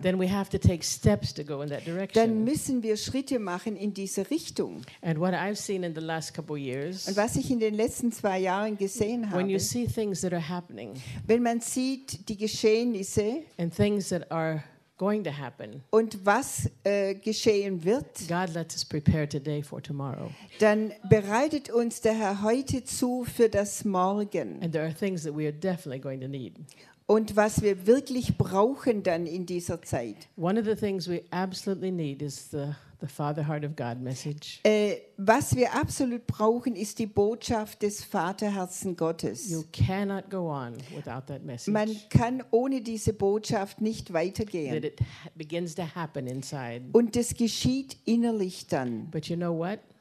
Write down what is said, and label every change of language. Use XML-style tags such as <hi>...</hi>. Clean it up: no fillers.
<en>Then we have to take steps to go in that direction.</en> <de>Dann müssen wir Schritte machen in diese Richtung.</de> <en>And what I've seen in the last couple years.</en> <de>Und was ich in den letzten zwei Jahren gesehen habe.</de> <en>When you see things that are happening.</en> <de>Wenn man sieht die Geschehnisse.</de> <en>And things that are going to happen.</en> <de>Und was geschehen wird?</de> <en>God lets us prepare today for tomorrow.</en> <de>Dann bereitet uns der Herr heute zu für das Morgen.</de> <en>And there are things that we are definitely going to need.</en> <de>Und was wir wirklich brauchen dann in dieser Zeit.</de> <en>One of the things we absolutely need is the Father Heart of God message.</en> <de>Was wir absolut brauchen, ist die Botschaft des Vaterherzen Gottes.</de> <en>You cannot go on without that message.</en> <de>Man kann ohne diese Botschaft nicht weitergehen.</de> <en>That it begins to happen inside.</en> <de>Und das geschieht innerlich dann.</de> <en>But you know what?</en>